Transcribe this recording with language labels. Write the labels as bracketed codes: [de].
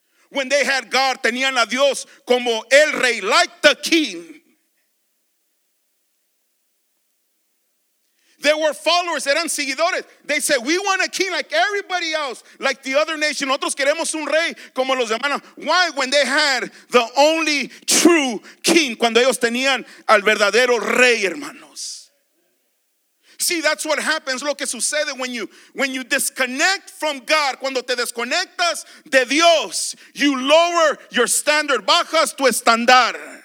[en] When they had God, [es] tenían a Dios como el rey, [en] like the king. They were followers, [es] eran seguidores. [en] They said, we want a king like everybody else, like the other nation. [es] Nosotros queremos un rey como los demás. [en] Why? When they had the only true king. [es] Cuando ellos tenían al verdadero rey, hermanos. [en] See, that's what happens. [es] Lo que sucede [en] when you disconnect from God. [es] Cuando te desconectas de Dios, [en] you lower your standard. [es] Bajas tu estándar.